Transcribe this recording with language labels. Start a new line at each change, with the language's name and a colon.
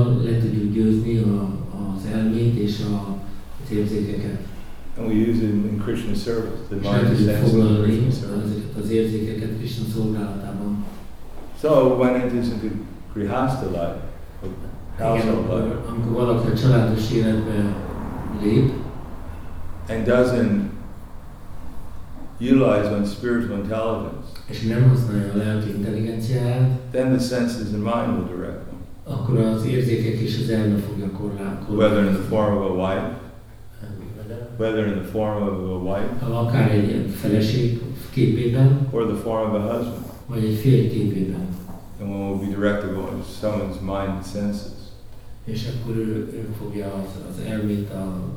Hungarian: Le tudjuk győzni az elmét és az érzékeket.
English: And we use it in Krishna service, the mind and senses.
Hungarian: Az érzékeket Krishna szolgálatában.
English: So when it is into grihastha life, household life.
Hungarian: Amikor valaki a családos életbe lép,
English: and doesn't utilize one's spiritual intelligence,
Hungarian: és nem használja a lelki intelligenciáját,
English: then the senses and mind will direct them.
Hungarian: Akkor az érzékek és az elme fogja korlátozni.
English: Whether in the form of a wife, whether in the form of a wife,
Hungarian: akár egy feleség képében,
English: or the form of a husband,
Hungarian: vagy egy férj képében,
English: and one will be directed by someone's mind and senses.
Hungarian: És akkor ő fogja az elmét a